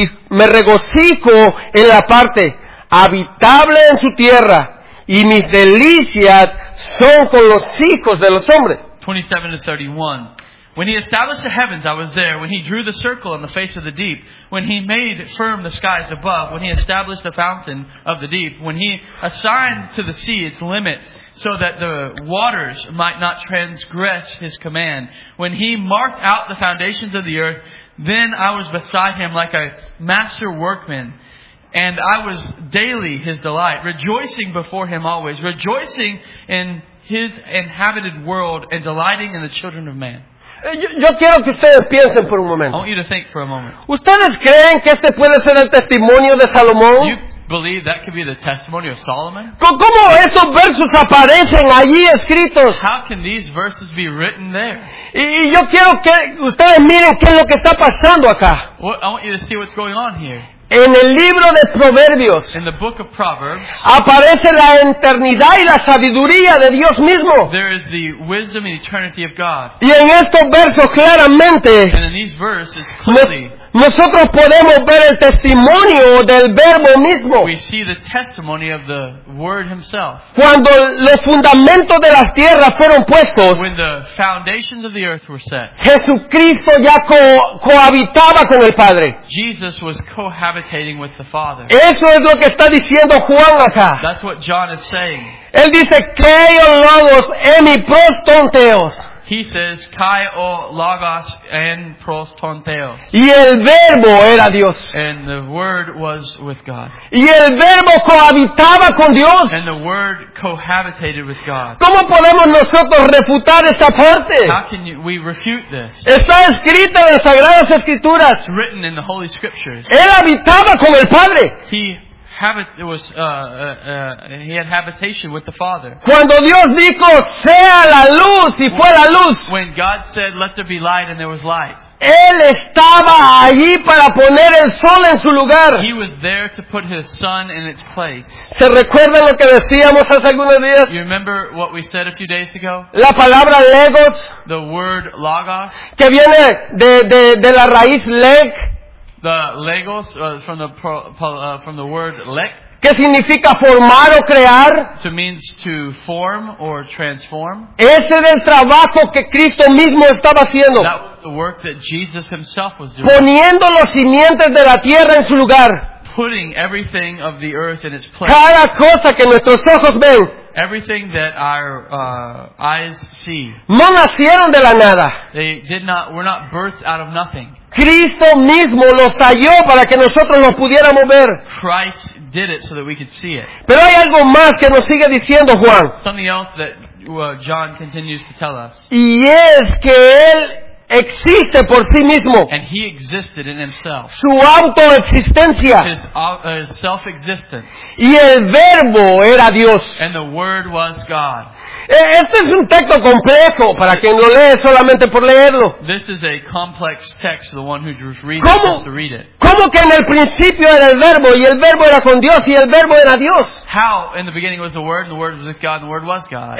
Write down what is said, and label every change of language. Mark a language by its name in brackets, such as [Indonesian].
[Spanish] Me regocijo en la parte habitable en su tierra, y mis delicias son con los hijos de los hombres. 27-31. [English] When he established the heavens, I was there. When he drew the circle on the face of the deep. When he made firm the skies above. When he established the fountain of the deep. When he assigned to the sea its limits, so that the waters might not transgress his command. When he marked out the foundations of the earth, then I was beside him like a master workman. And I was daily his delight, rejoicing before him always, rejoicing in his inhabited world and delighting in the children of man. [Spanish] Yo quiero que ustedes piensen por un momento. [English] I want you to think for a moment. [Spanish] ¿Ustedes creen que este puede ser el testimonio de Salomón? [English] You believe that could be the testimony of Solomon? [Spanish] ¿Cómo estos versos aparecen allí escritos? [English] How can these verses be written there? [Spanish] Y yo quiero que ustedes miren qué es lo que está pasando acá. [English] I want you to see what's going on here. [Spanish] En el libro de Proverbios, [English] in the book of Proverbs, [Spanish] aparece la eternidad y la sabiduría de Dios mismo. [English] There is the wisdom and eternity of God. [Spanish] Y en estos versos claramente, [English] and in these verses, clearly, [Spanish] nosotros podemos ver el testimonio del Verbo mismo. [English] We see the testimony of the Word himself. [Spanish] Cuando los fundamentos de las tierras fueron puestos, [English] when the foundations of the earth were set, [Spanish] Jesucristo ya cohabitaba con el Padre. [English] Jesus was cohabitating with the Father. [Spanish] Eso es lo que está diciendo Juan acá. [English] That's what John is saying. [Spanish] Él dice, [Greek] Kai o logos emi pros ton theos. [English] He says, [Greek] Kai o logos en pros ton theos. [Spanish] Y el Verbo era Dios. [English] And the Word was with God. [Spanish] Y el Verbo cohabitaba con Dios. [English] And the Word cohabitated with God. [Spanish] ¿Cómo podemos nosotros refutar esta parte? [English] How can we refute this? [Spanish] Está escrito en las Sagradas Escrituras. [English] It's written in the Holy Scriptures. [Spanish] Él habitaba con el Padre. [English] He had habitation with the Father. [Spanish] Cuando Dios dijo, sea la luz, y fue la luz. [English] When God said, let there be light, and there was light. [Spanish] Él estaba allí para poner el sol en su lugar. [English] He was there to put his sun in its place. [Spanish] ¿Se recuerdan lo que decíamos hace algunos días? [English] You remember what we said a few days ago? [Spanish] La palabra Legos. [English] The word Logos. [Spanish] Que viene de la raíz Leg. [English] The Legos, from the word lek. [Spanish] ¿Qué significa formar o crear? [English] To means to form or transform. [Spanish] Ese era el trabajo que Cristo mismo estaba haciendo. [English] That was the work that Jesus himself was doing. [Spanish] Poniendo los cimientos de la tierra en su lugar. [English] Putting everything of the earth in its place. [Spanish] Cada cosa que nuestros ojos ven. [English] Everything that our eyes see. [Spanish] No nacieron de la nada. [English] They did not, were not birthed out of nothing. [Spanish] Cristo mismo los halló para que nosotros los pudiéramos ver. [English] Christ did it so that we could see it. [Spanish] Pero hay algo más que nos sigue diciendo Juan. [English] Something else that John continues to tell us. [Spanish] Y es que él existe por sí mismo. [English] And he existed in himself. [Spanish] Su autoexistencia. [English] His self-existence. [Spanish] Y el Verbo era Dios. [English] And the Word was God. [Spanish] Este es un texto complejo para quien lo lee solamente por leerlo. [English] This is a complex text, the one who just reads it has to read it. [Spanish] ¿Cómo que en el principio era el Verbo y el Verbo era con Dios y el Verbo era Dios? [English] How in the beginning was the Word and the Word was with God and the Word was God?